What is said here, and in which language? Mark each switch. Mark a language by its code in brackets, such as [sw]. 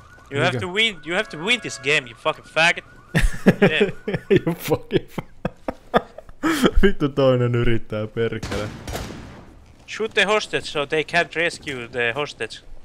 [en] You have to win this game, you fucking faggot. You fucking faggot. [fi] Vittu toinen yrittää perkele. [en] Shoot the hostage so they can't rescue the hostage.